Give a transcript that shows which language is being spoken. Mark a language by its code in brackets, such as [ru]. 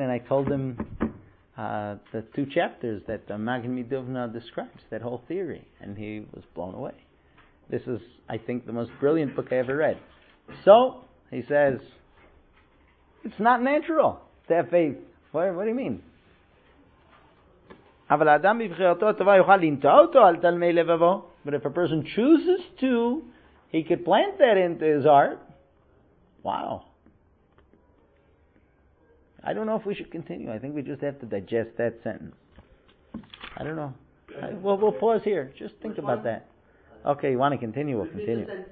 [en] And I told him the two chapters that the Magen Midovna describes, that whole theory. And he was blown away. This is, I think, the most brilliant book I ever read. So, he says, it's not natural to have faith. What do you mean? [he] אבל האדם בבחירתו הטובה יוכל לנטוע אותו על תלמי לבבו. [en] But if a person chooses to, he could plant that into his heart. Wow. I don't know if we should continue. I think we just have to digest that sentence. I don't know. We'll pause here. Just think about that. Okay, you want to continue? We'll continue.